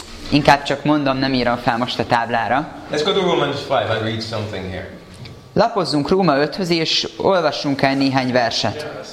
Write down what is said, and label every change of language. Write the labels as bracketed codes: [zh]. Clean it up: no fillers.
[hu] Inkább csak mondom, nem írom fel most a táblára. [en] Let's go to Romans 5 and read something here. [hu] Lapozzunk Róma 5-höz, és olvassunk el néhány verset.